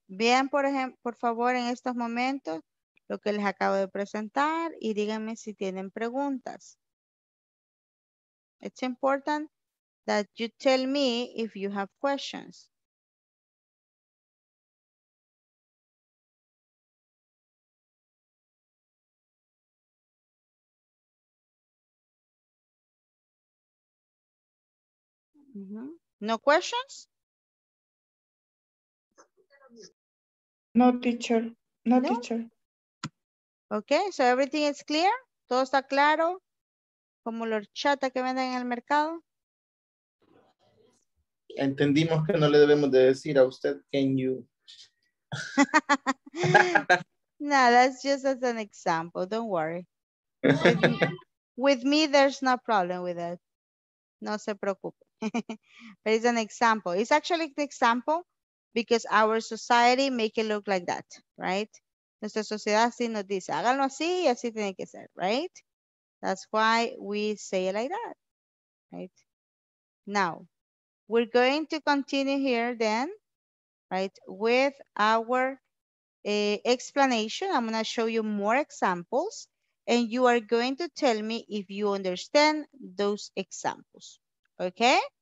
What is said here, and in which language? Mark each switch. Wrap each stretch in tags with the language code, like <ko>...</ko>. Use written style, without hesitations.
<es>Vean, por favor, en estos momentos, lo que les acabo de presentar y díganme si tienen preguntas.</es> <en>It's important that you tell me if you have questions. Mm-hmm. No questions? No, teacher. No, teacher. Okay, so everything is clear?</en> <es>Todo está claro? Como la horchata que venden en el mercado. Entendimos que no le debemos de decir a usted,</es> <en>can you? No, that's just as an example, don't worry. With me, there's no problem with it.</en> <es>No se preocupe.</es> <en>But it's an example. It's actually an example because our society make it look like that, right?</en> <es>Nuestra sociedad así nos dice, háganlo así y así tiene que ser, right?</es> <en>That's why we say it like that, right? Now, we're going to continue here then, right, with our explanation. I'm gonna show you more examples and you are going to tell me if you understand those examples, okay?</en>